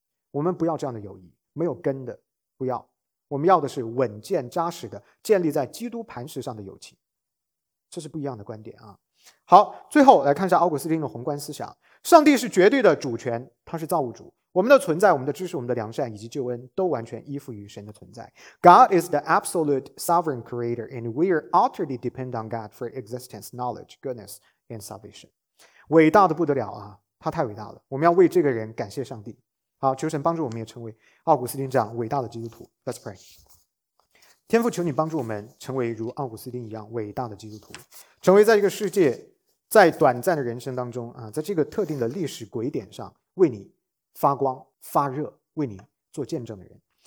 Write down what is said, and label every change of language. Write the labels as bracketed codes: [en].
[zh] 我们不要这样的友谊，没有根的不要，我们要的是稳健扎实的建立在基督磐石上的友情。这是不一样的观点啊。好，最后来看一下奥古斯丁的宏观思想。上帝是绝对的主权，他是造物主，我们的存在、我们的知识、我们的良善以及救恩都完全依附于神的存在。 [en] God is the absolute sovereign creator and we are utterly dependent on God for existence, knowledge, goodness and salvation. [zh] 伟大的不得了啊，他太伟大了，我们要为这个人感谢上帝。好，求神帮助我们也成为奥古斯丁这样伟大的基督徒。 [en] Let's pray。 [zh] 天父，求你帮助我们成为如奥古斯丁一样伟大的基督徒，成为在一个世界，在短暂的人生当中啊，在这个特定的历史轨点上为你发光发热，为你做见证的人。